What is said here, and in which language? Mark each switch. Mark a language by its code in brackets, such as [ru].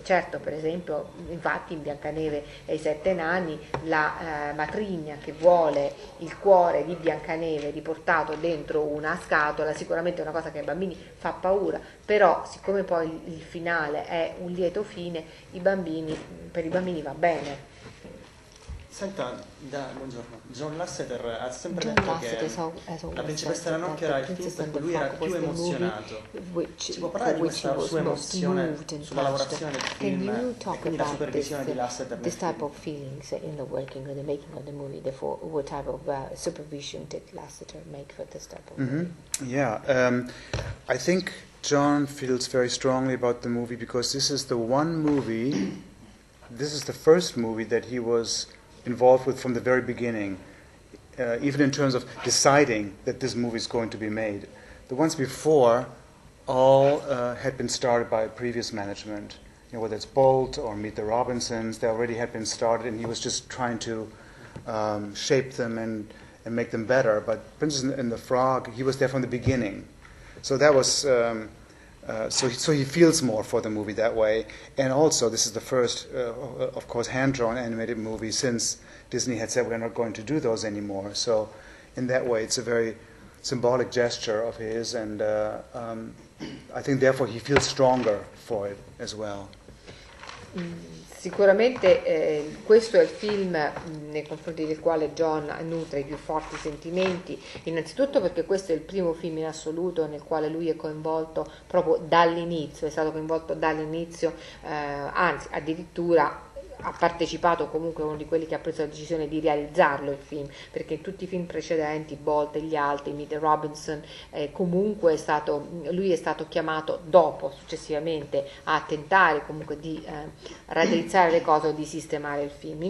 [it] Certo, per esempio, infatti in Biancaneve e i Sette Nani la matrigna che vuole il cuore di Biancaneve riportato dentro una scatola sicuramente è una cosa che ai bambini fa paura, però siccome poi il finale è un lieto fine, per i bambini va bene. Senta, buongiorno. John Lasseter ha sempre detto che la principessa della notte era il film per cui lui era più emozionato. Ci può parlare di questa sua emozione sulla lavorazione del film e quindi la supervisione di Lasseter? [en] This type of feelings in the working or the making of the movie, therefore, what type of supervision did Lasseter make for this type of movie? Yeah, I think John feels very strongly about the movie because this is the one movie, this is the first movie that he was involved with from the very beginning, even in terms of deciding that this movie is going to be made. The ones before all had been started by previous management, you know, whether it's Bolt or Meet the Robinsons, they already had been started and he was just trying to shape them and make them better. But Princess and the Frog, he was there from the beginning. So that was, so he feels more for the movie that way. And also, this is the first, of course, hand-drawn animated movie since Disney had said we're not going to do those anymore. So in that way, it's a very symbolic gesture of his, and I think therefore he feels stronger for it as well. [it] Sicuramente questo è il film nei confronti del quale John nutre i più forti sentimenti, innanzitutto perché questo è il primo film in assoluto nel quale lui è coinvolto proprio dall'inizio, anzi addirittura ha partecipato, comunque uno di quelli che ha preso la decisione di realizzarlo il film, perché in tutti i film precedenti, Bolt e gli altri, Meet the Robinson, comunque lui è stato chiamato dopo, successivamente, a tentare comunque di raddrizzare le cose o di sistemare il film.